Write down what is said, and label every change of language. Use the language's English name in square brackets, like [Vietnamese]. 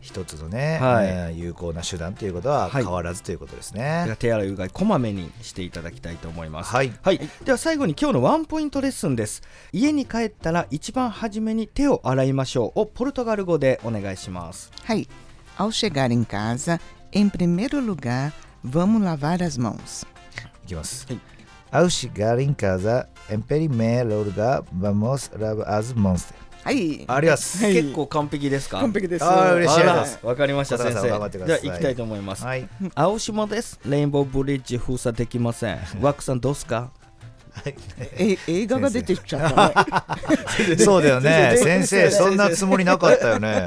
[Japanese] 一つのね、はい、有効な手段ということは変わらずということですね。はい、手洗いうがいこまめにしていただきたいと思います。はい、はい、では最後に今日のワンポイントレッスンです。家に帰ったら一番初めに手を洗いましょうをポルトガル語でお願いします。はい。 [Portuguese] Ao chegar em casa, em primeiro lugar, vamos lavar as mãos. [Japanese] いきます。はい。 [Portuguese] Ao chegar em casa, em primeiro lugar, vamos lavar as mãos. [Japanese] はい。ありがとうございます。結構完璧ですか？完璧です。ああ、嬉しいです。わかりました、先生。頑張ってください。じゃあ、いきたいと思います。はい。青島です。レインボーブリッジ封鎖できません。ワクさん、どうすか？はい、映画が出てきちゃった、ね。そうだよね。先生、そんなつもりなかったよね。